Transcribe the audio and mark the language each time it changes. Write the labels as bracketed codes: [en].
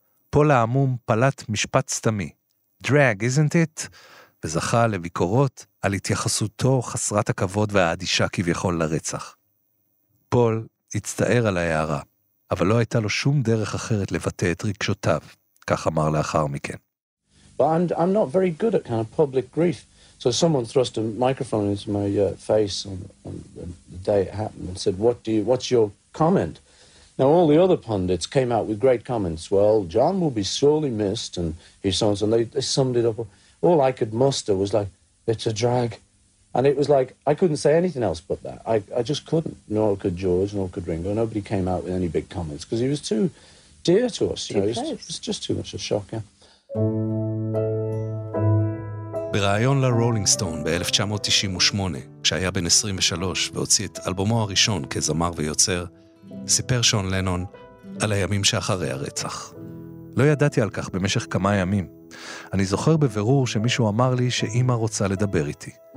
[he] פול העמום פלט משפט סתמי, [en] "Drag, isn't it?" [he] וזכה לביקורות על התייחסותו חסרת הכבוד והאדישה כביכול לרצח. פול הצטער על ההערה, אבל לא הייתה לו שום דרך אחרת לבטא את רגשותיו, כך אמר לאחר מכן. [en] But I'm not very good at kind of public grief. So someone thrust a microphone into my face on the day it happened and said, what's your comment? Now all the other pundits came out with great comments. Well, John will be sorely missed and he sounds and they summed it up. All I could muster was like, it's a drag. And it was like, I couldn't say anything else but that. I just couldn't. Nor could George, nor could Ringo. Nobody came out with any big comments because he was too dear to us. You know, it's just too much a shocker. [he] ברעיון לרולינג סטון ב-1998, כשהיה בן 23 והוציא את אלבומו הראשון כזמר ויוצר, סיפר שון לנון על הימים שאחרי הרצח. לא ידעתי על כך במשך כמה ימים. אני זוכר בבירור שמישהו אמר לי שאמא רוצה לדבר איתי.